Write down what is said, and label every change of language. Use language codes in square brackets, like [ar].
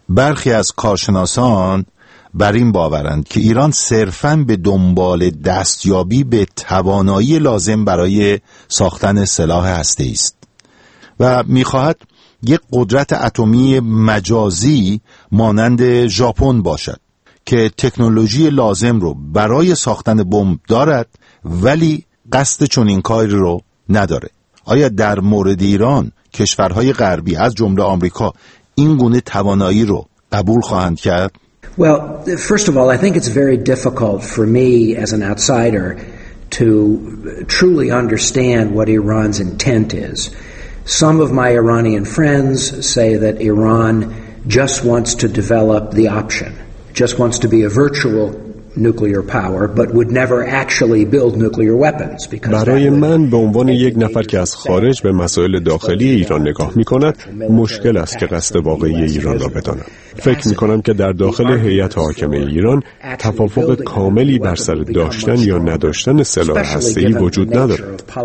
[fa] برخی از کارشناسان بر این باورند که ایران صرفاً به دنبال دستیابی به توانایی لازم برای ساختن سلاح هسته‌ای است و می‌خواهد یک قدرت اتمی مجازی مانند ژاپن باشد که تکنولوژی لازم رو برای ساختن بمب دارد ولی قصد چنین کاری رو نداره. آیا در مورد ایران کشورهای غربی از جمله آمریکا این گونه توانایی رو قبول خواهند کرد؟ [en] Well, first of all, I think it's very difficult for me as an outsider to truly understand what Iran's intent is. Some of my Iranian friends say that Iran just wants to develop the option, just wants to be a virtual nuclear power, but would never actually build nuclear weapons. [fa] برای من به عنوان یک نفر که از خارج به مسائل داخلی ایران نگاه می کند، مشکل است که قصد واقعی ایران را بدانم. فکر می کنم که در داخل هیئت حاکمه ایران توافق کاملی بر سر داشتن یا نداشتن سلاح هسته‌ای وجود ندارد.